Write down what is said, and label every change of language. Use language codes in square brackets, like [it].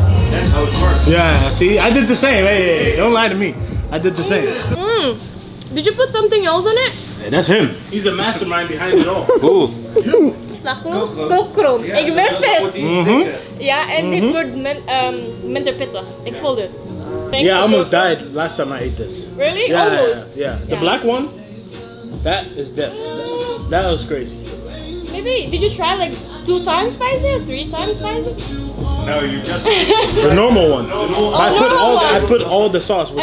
[en] That's how it works. Yeah, see? I did the same. Hey, don't lie to me. I did the same. Mm. Did you put something else on it? Hey, that's him. He's the mastermind behind it all. Who? [nl] Kokrom. Yeah, ik wist het. Mm-hmm. Ja, en dit wordt minder pittig. Ik voelde het. [en] Ja, I almost died last time I ate this. Really? Yeah, almost? Yeah. The black one, that is death. That was crazy. Maybe, did you try like 2 times spicy or 3 times spicy? No, you just... The normal one. I put all the sauce with